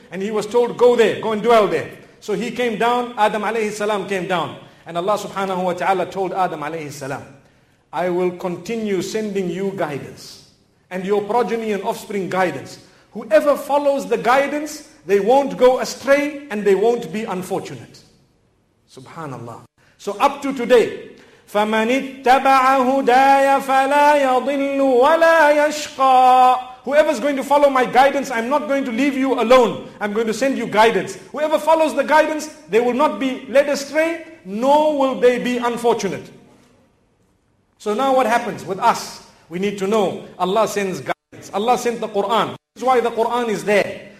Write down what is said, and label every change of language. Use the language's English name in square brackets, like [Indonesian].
[English] And he was told, go there, go and dwell there. So he came down, Adam alayhi salam came down. And Allah subhanahu wa ta'ala told Adam alayhi salam, I will continue sending you guidance. And your progeny and offspring guidance. Whoever follows the guidance, they won't go astray and they won't be unfortunate. Subhanallah. So up to today, [Arabic] فَمَنِ اتَّبَعَ هُدَايَ فَلَا يَضِلُّ وَلَا يَشْقَى. [English] Whoever's going to follow my guidance, I'm not going to leave you alone. I'm going to send you guidance. Whoever follows the guidance, they will not be led astray, nor will they be unfortunate. So now what happens with us? We need to know Allah sends guidance. Allah sent the Quran. This is why the Quran is there.